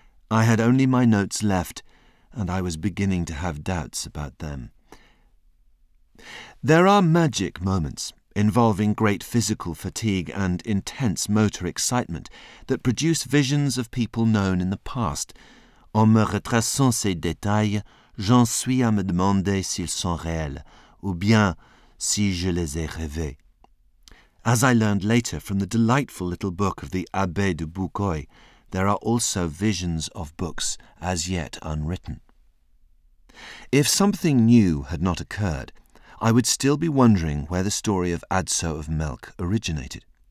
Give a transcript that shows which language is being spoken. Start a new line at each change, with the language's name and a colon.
English: I had only my notes left, and I was beginning to have doubts about them. There are magic moments, involving great physical fatigue and intense motor excitement, that produce visions of people known in the past.
French: En me retraçant ces détails, j'en suis à me demander s'ils sont réels, ou bien si je les ai rêvés.
English: As I learned later from the delightful little book of the Abbé de Boucoy, there are also visions of books as yet unwritten. If something new had not occurred, I would still be wondering where the story of Adso of Melk originated.